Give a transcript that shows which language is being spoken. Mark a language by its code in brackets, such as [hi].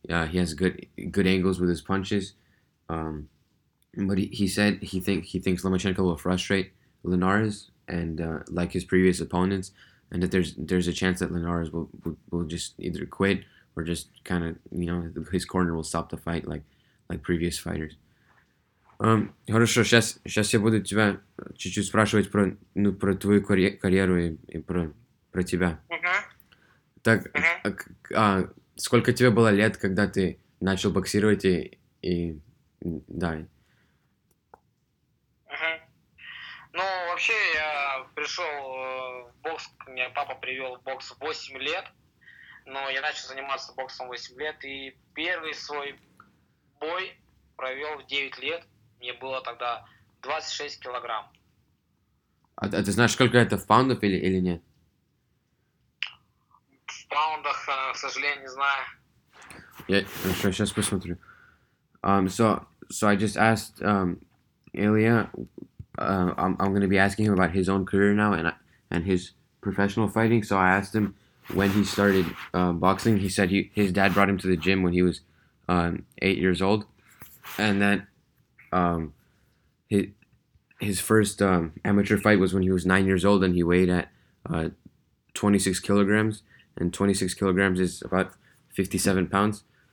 [en] He has good angles with his punches. But he thinks Lomachenko will frustrate Linares and like his previous opponents, and that there's a chance that Linares will just either quit. Or just kind of, you know, his corner will stop the fight like previous fighters. [ru] Хорошо, сейчас я буду тебя чуть-чуть спрашивать про, ну, про твою карьеру и про тебя. Так, сколько тебе было лет, когда ты начал боксировать и да. Ну, вообще, я пришел в бокс, меня папа привел в бокс в 8 лет. Но я начал заниматься боксом 8 лет, и первый свой бой провел в 9 лет. Мне было тогда 26 килограмм. А ты знаешь, сколько это в паундах или нет? В паундах, к сожалению, не знаю. Хорошо, сейчас посмотрю. [en] So I just asked Илья, I'm going to be asking him about his own career now and his professional fighting, so I asked him, when he started boxing, he said his dad brought him to the gym when he was 8 years old, and that his first amateur fight was when he was 9 years old, and he weighed at 26 kilograms, and 26 kilograms is about 57 pounds.